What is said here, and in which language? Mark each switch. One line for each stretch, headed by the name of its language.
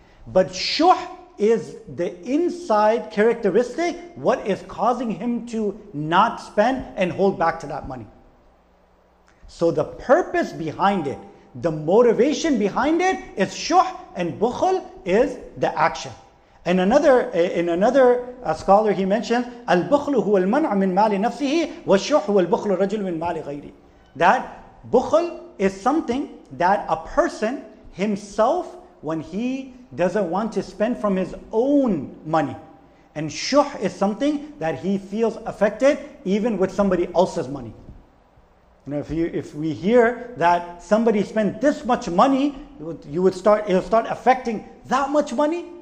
English: But شح is the inside characteristic, what is causing him to not spend and hold back to that money. So the purpose behind it, the motivation behind it is شح, and بخل is the action. And another scholar, he mentions,
Arabic: البخل هو المنع من مال نفسه والشح هو البخل الرجل من مال غيره.
English: That بخل is something that a person himself, when he doesn't want to spend from his own money. And شح is something that he feels affected even with somebody else's money. You know, if we hear that somebody spent this much money, it'll start affecting that much money.